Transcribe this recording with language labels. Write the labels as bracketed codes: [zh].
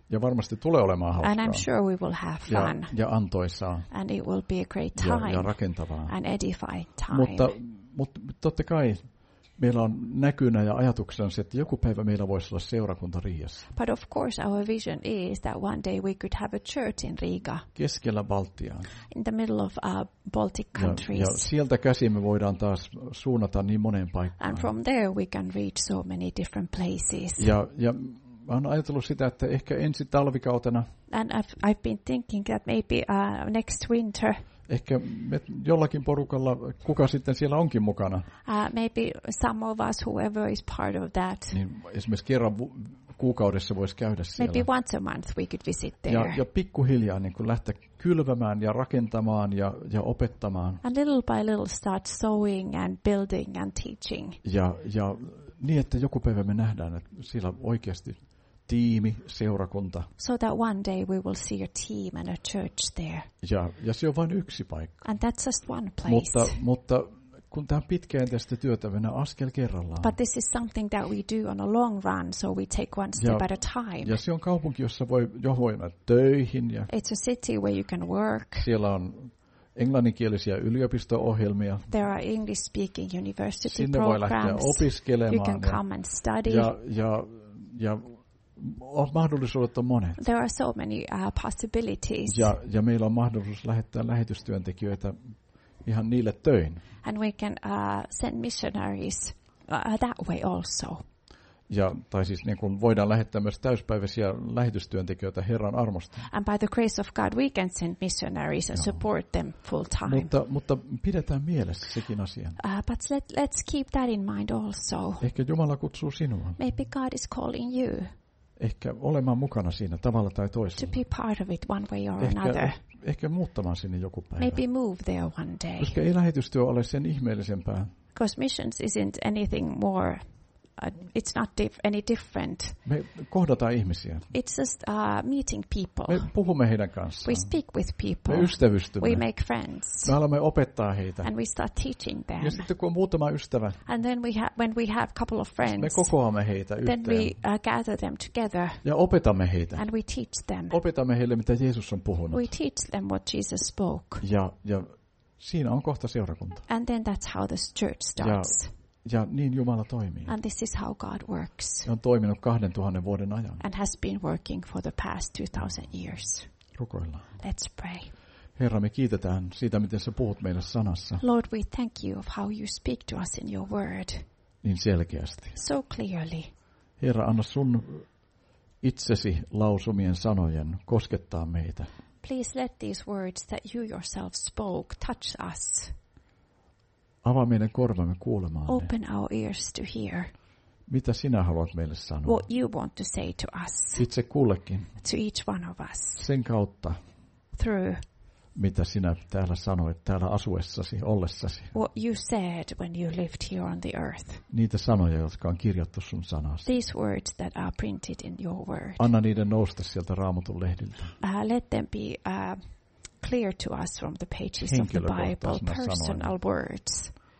[fi] Ja varmasti tulee olemaan hauskaa. [en] And I'm sure we will have fun. [fi] Ja antoisaa. [en] And it will be a great time. [fi] Ja rakentavaa. [en] And edifying time. [fi] Mutta totta kai meillä on näkynä ja ajatuksena se, että joku päivä meillä voisi olla seurakunta Riiassa. [en] But of course our vision is that one day we could have a church in Riga. [fi] Keskellä Baltiaa. [en] In the middle of Baltic countries. [fi] Ja sieltä käsin me voidaan taas suunnata niin moneen paikkaan. [en] And from there we can reach so many different places. [fi] Ja olen ajatellut sitä, että ehkä ensi talvikautena. [en] And I've been thinking that maybe next winter. [fi] Ehkä me jollakin porukalla, kuka sitten siellä onkin mukana. [en] Maybe some of us, whoever is part of that. [fi] Niin esimerkiksi kerran kuukaudessa voisi käydä siellä. [en] Maybe once a month we could visit there. [fi] Ja pikkuhiljaa niin kuin lähteä kylvämään ja rakentamaan ja opettamaan. [en] And little by little start sowing and building and teaching. [fi] Ja niin, että joku päivä me nähdään, että siellä oikeasti tiimi, seurakunta. [en] So that one day we will see a team and a church there. [fi] Ja se on vain yksi paikka. [en] And that's just one place. [fi] Mutta kun tämä on pitkäjänteistä työtä, mennään askel kerrallaan. [en] But this is something that we do on a long run, so we take one step at a time. [fi] Ja se on kaupunki, jossa voi mennä töihin. Ja [en] it's a city where you can work. [fi] Siellä on englanninkielisiä yliopisto-ohjelmia. [en] There are English-speaking university [fi] programs. Sinne voi lähteä opiskelemaan. [en] You can come and study. [fi] Ja mahdollisuudet on monet. [en] There are so many possibilities. [fi] Ja meillä on mahdollisuus lähettää lähetystyöntekijöitä ihan niille töihin. [en] And we can send missionaries that way also. [fi] Ja tai siis niin kuin voidaan lähettää myös täyspäiväisiä lähetystyöntekijöitä Herran armosta. [en] And by the grace of God we can send missionaries and support them full time. [fi] Mutta pidetään mielessä sekin asia. [en] But let's keep that in mind also. [fi] Ehkä Jumala kutsuu sinua. [en] Maybe God is calling you. [fi] Ehkä olemaan mukana siinä tavalla tai toisella. [en] To be part of it one way or another. [fi] Ehkä muuttamaan sinne joku päivä. [en] Maybe move there one day. [fi] Koska ei lähetystyö ole sen ihmeellisempää. [en] Because missions isn't anything more. It's not any different. [fi] Me kohdataan ihmisiä. [en] It's just meeting people. [fi] Me puhumme heidän kanssaan. [en] We speak with people. [fi] Me ystävystymme. [en] We make friends. [fi] Me haluamme opettaa heitä. [en] And we start teaching them. [fi] Ja sitten kun on muutama ystävä. [en] And then when we have a couple of friends. [fi] Me kokoamme heitä yhteen. [en] Then we gather them together. [fi] Ja opetamme heitä. [en] And we teach them. [fi] Opetamme heille mitä Jeesus on puhunut. [en] We teach them what Jesus spoke. [fi] Ja siinä on kohta seurakunta. [en] And then that's how the church starts. [fi] Ja niin Jumala toimii. [en] And this is how God works. [fi] Se on toiminut 2000 vuoden ajan. [en] And has been working for the past 2000 years. [fi] Rukoillaan. [en] Let's pray. [fi] Herra, me kiitetään siitä, miten sä puhut meille sanassa. [en] Lord, we thank you of how you speak to us in your word. [fi] Niin selkeästi. [en] So clearly. [fi] Herra, anna sun itsesi lausumien sanojen koskettaa meitä. [en] Please let these words that you yourself spoke touch us. [fi] Avaa meidän korvamme kuulemaan. [en] Open our ears to hear. [fi] Mitä sinä haluat meille sanoa? [en] What you want to say to us. [fi] Itse kullekin. [en] To each one of us. [fi] Sen kautta. [en] Through. [fi] Mitä sinä täällä sanoit, täällä asuessasi, ollessasi. [en] What you said when you lived here on the earth. [fi] Niitä sanoja, jotka on kirjattu sun sanasi. [en] These words that are printed in your word. [fi] Anna niiden nousta sieltä Raamatun lehdiltä. [en] Let them be clear to us from the pages of the Bible, personal words.